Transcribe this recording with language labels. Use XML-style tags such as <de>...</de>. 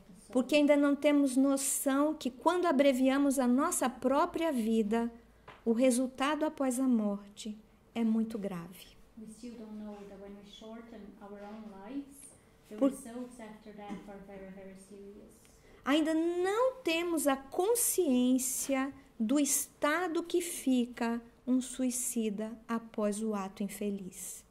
<pt>Porque ainda não temos noção que quando abreviamos a nossa própria vida, o resultado após a morte é muito grave.</pt> <en>We still don't know that when we shorten our own lives, the results after death are very, very serious.</en> <pt>Ainda não temos a consciência do estado que fica um suicida após o ato infeliz.</pt>